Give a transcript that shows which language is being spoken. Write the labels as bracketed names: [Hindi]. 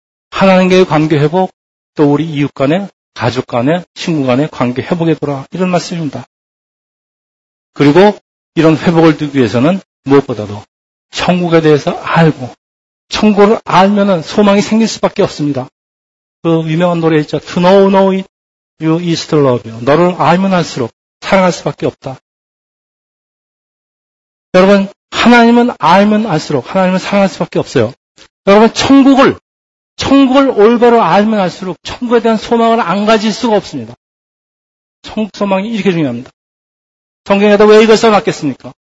[Korean] 하나님과의 관계 회복, 또 우리 이웃 간에 가족 간에 친구 간에 관계 회복에 두라 이런 말씀입니다. 그리고 이런 회복을 두기 위해서는 무엇보다도 천국에 대해서 알고 천국을 알면은 소망이 생길 수밖에 없습니다. 그 유명한 노래 있죠. [English] To know you is to love you. [Korean] 너를 알면 알수록 사랑할 수밖에 없다. 여러분 하나님은 알면 알수록 하나님을 사랑할 수밖에 없어요. 여러분 천국을 올바로 알면 알수록 천국에 대한 소망을 안 가질 수가 없습니다. 천국 소망이 이렇게 중요합니다. 성경에다 왜 이걸 써놨겠습니까?